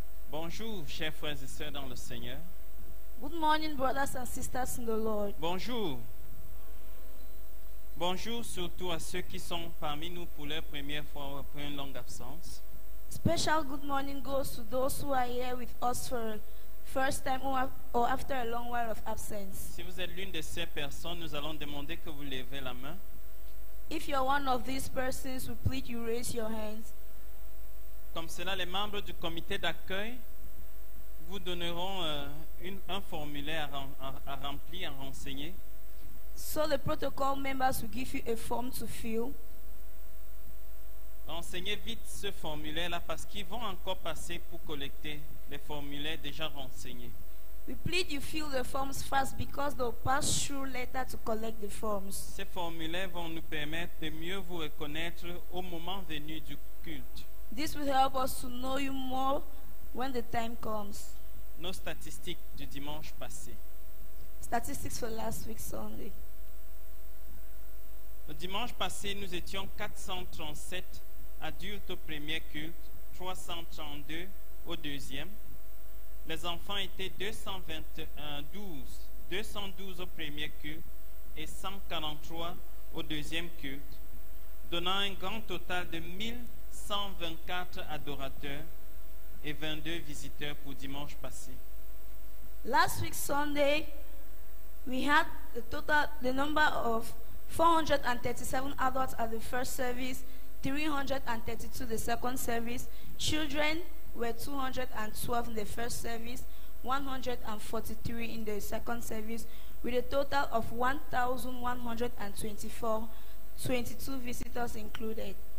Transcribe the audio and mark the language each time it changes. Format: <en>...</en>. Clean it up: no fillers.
<fr>Bonjour, chers frères et sœurs dans le Seigneur.</fr> <en>Good morning, brothers and sisters in the Lord.</en> <fr>Bonjour. Bonjour surtout à ceux qui sont parmi nous pour leur première fois après une longue absence.</fr> <en>Special good morning goes to those who are here with us for first time or after a long while of absence.</en> <fr>Si vous êtes l'une de ces personnes, nous allons demander que vous levez la main.</fr> <en>If you're one of these persons, we plead you raise your hands.</en> <fr>Comme cela, les membres du comité d'accueil vous donneront un formulaire à remplir, à renseigner.</fr> <en>So the protocol members will give you a form to fill.</en> <fr>Renseignez vite ce formulaire-là parce qu'ils vont encore passer pour collecter les formulaires déjà renseignés.</fr> <en>We plead you fill the forms fast because they'll pass through later to collect the forms.</en> <fr>Ces formulaires vont nous permettre de mieux vous reconnaître au moment venu du culte.</fr> <en>This will help us to know you more when the time comes.</en> <fr>Nos statistiques du dimanche passé.</fr> <en>Statistics for last week Sunday.</en> <fr>Le dimanche passé, nous étions 437 adultes au premier culte, 332 au deuxième. Les enfants étaient 212 au premier culte et 143 au deuxième culte, donnant un grand total de 1124 adorateurs et 22 visiteurs pour dimanche passé.</fr> <en>Last week Sunday, we had the number of 437 adults at the first service, 332 the second service. Children were 212 in the first service, 143 in the second service, with a total of 1,124, 22 visitors included.</en>